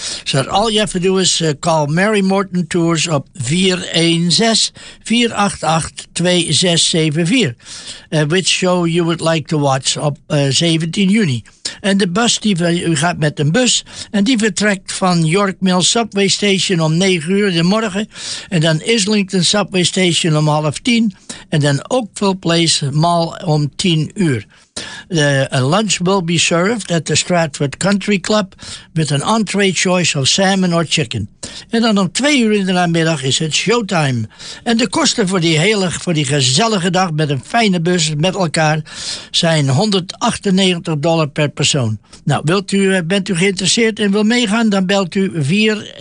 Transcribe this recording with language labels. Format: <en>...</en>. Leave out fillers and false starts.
<en>So all you have to do is call Mary Morton Tours op 416-488-2674, which show you would like to watch</en> <nl>op 17 juni. En de bus, u gaat met een bus. En die vertrekt van York Mill Subway Station om 9:00 de morgen. En dan Islington Subway Station om 9:30. En dan Oakville Place Mall om 10:00.</nl> <en>A lunch will be served at the Stratford Country Club with an entree choice of salmon or chicken.</en> <nl>En dan om 2:00 in de namiddag is het showtime. En de kosten voor die gezellige dag met een fijne bus met elkaar zijn $198 per persoon. Nou, bent u geïnteresseerd en wil meegaan, dan belt u 416-488-2674.</nl>